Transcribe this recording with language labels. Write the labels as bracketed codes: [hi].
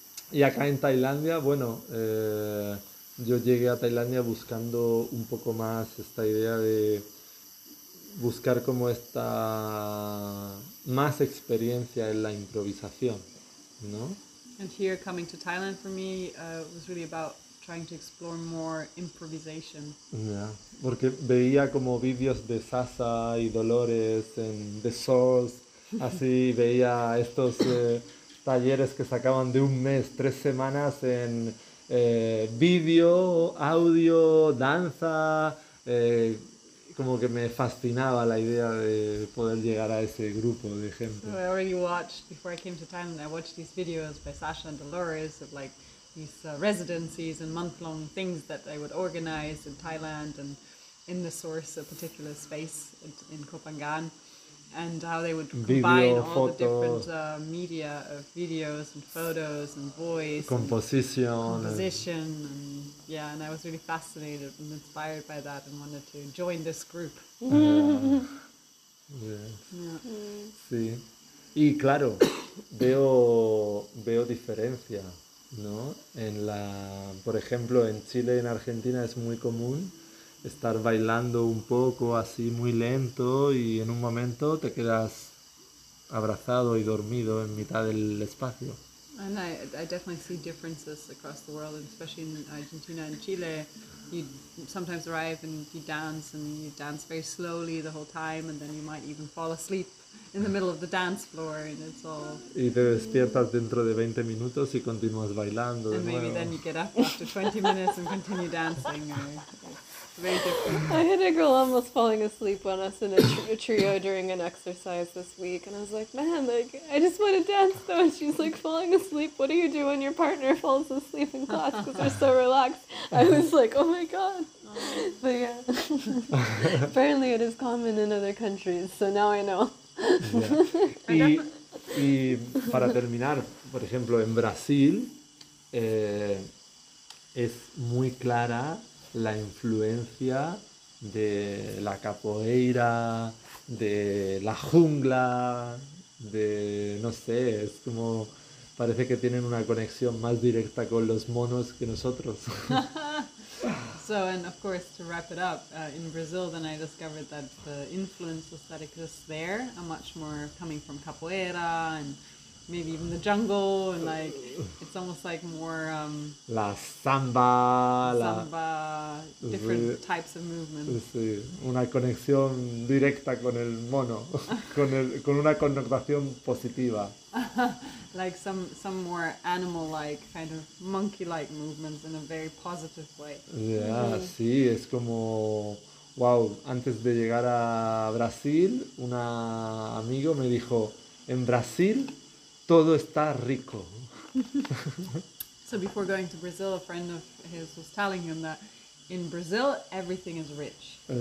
[es] Y acá en Tailandia, bueno, yo llegué a Tailandia buscando un poco más esta idea de buscar como esta más experiencia en la improvisación, ¿no? [en] And here coming to Thailand for me was really about trying to explore more improvisation. [es] Yeah, porque veía como vídeos de Sasa y Dolores en The Source, así veía estos talleres que sacaban de un mes, 3 semanas en vídeo, audio, danza, como que me fascinaba la idea de poder llegar a ese grupo de gente. [en] So I already watched, before I came to Thailand, I watched these videos by Sasha and Dolores of like these residencies and month-long things that they would organize in Thailand and in the source of a particular space in Koh Phangan, and how they would combine video, all [es] foto, [en] the different media of videos and photos and voice composition and yeah, and I was really fascinated and inspired by that and wanted to join this group. [es] Sí. Y claro, veo diferencia, ¿no? En la, por ejemplo, en Chile y en Argentina es muy común estar bailando un poco así muy lento y en un momento te quedas abrazado y dormido en mitad del espacio. [en] And I definitely see differences across the world, and especially in Argentina and Chile. You sometimes arrive and you dance very slowly the whole time, and then you might even fall asleep in the middle of the dance floor, and it's all... [es] Y te despiertas dentro de 20 minutos y continúas bailando. [en] And maybe then you get up after 20 minutes and continue dancing. Or, I had a girl almost falling asleep on us in a trio during an exercise this week, and I was like, man, like, I just want to dance, though, and she's like, falling asleep, what do you do when your partner falls asleep in class, because they're so relaxed? I was like, oh my god, but yeah, apparently it is common in other countries, so now I know. Yeah. [es] Y para terminar, por ejemplo, en Brasil, es muy clara la influencia de la capoeira, de la jungla, de, no sé, es como parece que tienen una conexión más directa con los monos que nosotros. [en] So, and of course, to wrap it up, in Brazil, then I discovered that the influences that exist there are much more coming from capoeira and maybe even the jungle, and like it's almost like more [es] la samba, [en] different types of movements. [es] Sí, una conexión directa con el mono, con una connotación positiva. [en] Like some more animal-like kind of monkey-like movements in a very positive way. [es] Yeah, mm-hmm. Sí, es como wow. Antes de llegar a Brasil, un amigo me dijo, en Brasil todo está rico. [en] So before going to Brazil, a friend of his was telling him that in Brazil everything is rich.